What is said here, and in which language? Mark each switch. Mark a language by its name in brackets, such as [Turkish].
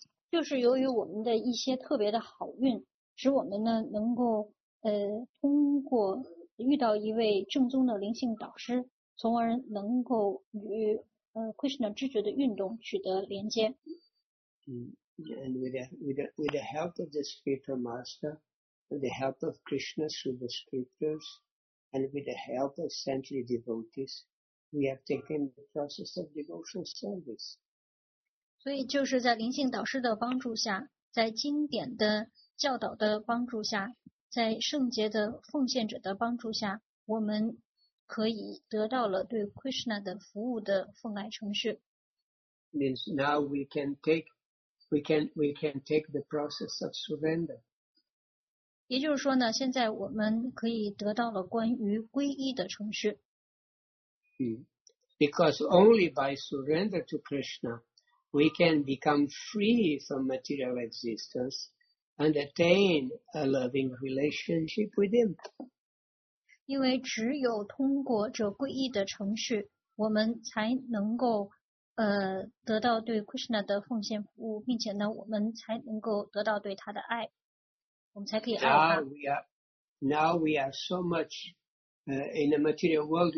[Chinese] 就是由于我们的一些特别的好运，使我们呢能够通过遇到一位正宗的灵性导师，从而能够与Krishna 知觉的运动取得连接。 [English] And with the help of the spiritual master, with the help of Krishna through the scriptures, and with the help of saintly devotees, we have taken the process of devotional service. [Chinese] 所以就是在灵性导师的帮助下，在经典的教导的帮助下，在圣洁的奉献者的帮助下，我们可以得到了对 Krishna 的服务的奉爱程序。 [English] Means now we can take the process of surrender. [Chinese] 也就是说呢，现在我们可以得到了关于皈依的程序。 [English] Because only by surrender to Krishna, we can become free from material existence and attain a loving relationship with Him. [Chinese] 因为只有通过这皈依的程序，我们才能够得到对 Krishna 的奉献服务，并且呢，我们才能够得到对他的爱，我们才可以爱他。 [English] Now we are so much in the material world.